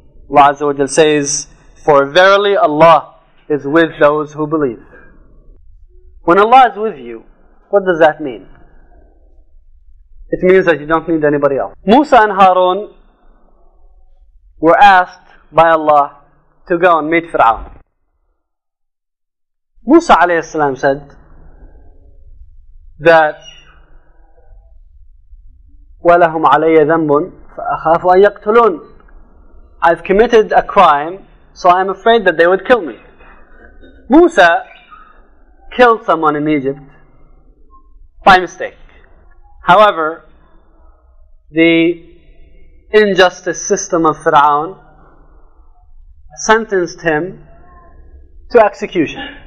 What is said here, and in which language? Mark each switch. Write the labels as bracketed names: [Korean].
[English] Allah Azza wa Jalla says, for verily Allah is with those who believe. When Allah is with you, what does that mean? It means that you don't need anybody else. Musa and Harun were asked by Allah to go and meet Fir'aun. Musa alayhi salam said that [Arabic] وَلَهُمْ عَلَيَّ ذَنْبٌ فَأَخَافُ أَن يَقْتُلُونَ. [English] I've committed a crime, so I'm afraid that they would kill me. Musa killed someone in Egypt by mistake. However, the injustice system of Fir'aun sentenced him to execution.